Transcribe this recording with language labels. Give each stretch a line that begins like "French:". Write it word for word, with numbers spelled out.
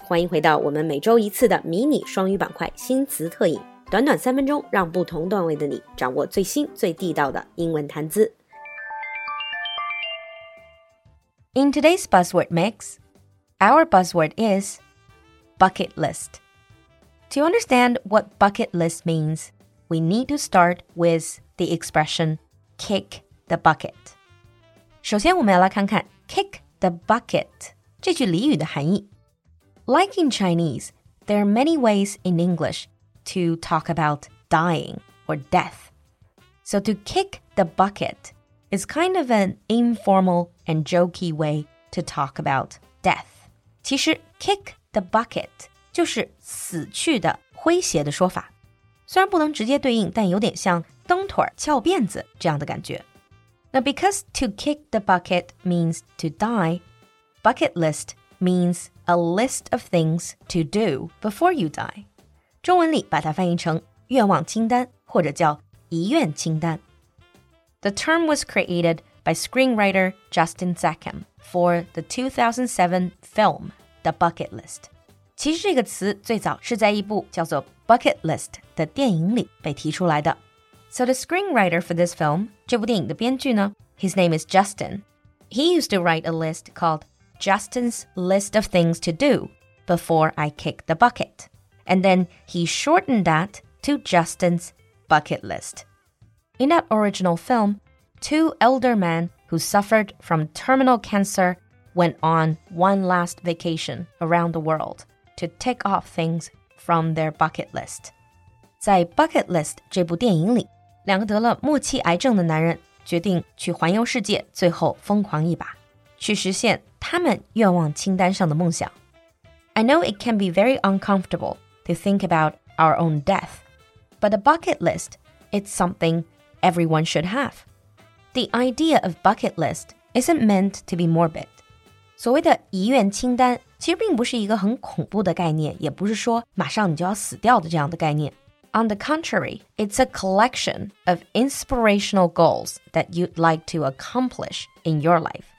Chinese: 欢迎回到我们每周一次的迷你双语板块新词特饮，短短三分钟，让不同段位的你掌握最新最地道的英文谈资。
English: In today's Buzzword Mix, our buzzword is bucket list. To understand what bucket list means, we need to start with the expression kick the bucket.
Chinese: 首先我们要来看看 kick the bucket 这句俚语的含义。
English: Like in Chinese, there are many ways in English to talk about dying or death. So to kick the bucket is kind of an informal and jokey way to talk about death.
Chinese: 其实 kick the bucket 就是死去的诙谐的说法。虽然不能直接对应，但有点像蹬腿翘辫子这样的感觉。
English: Now, because to kick the bucket means to die, bucket list means a list of things to do before you die.
Chinese: 中文里把它翻译成愿望清单，或者叫遗愿清单。
English: The term was created by screenwriter Justin Sackham for the two thousand seven film The Bucket List.
Chinese: 其实这个词最早是在一部叫做 Bucket List 的电影里被提出来的。
English: So the screenwriter for this film,
Chinese: 这部电影的编剧呢
English: his name is Justin. He used to write a list called Justin's List of Things to Do Before I Kick the Bucket. And then he shortened that to Justin's Bucket List. In that original film, two elder men who suffered from terminal cancer went on one last vacation around the world to tick off things from their bucket list.
Chinese: 在 Bucket List 这部电影里，两个得了末期癌症的男人决定去环游世界，最后疯狂一把，去实现他们愿望清单上的梦想。
English: I know it can be very uncomfortable to think about our own death, but a bucket list, it's something everyone should have. The idea of bucket list isn't meant to be morbid.
Chinese: 所谓的遗愿清单其实并不是一个很恐怖的概念，也不是说马上你就要死掉的这样的概念。
English: On the contrary, it's a collection of inspirational goals that you'd like to accomplish in your life.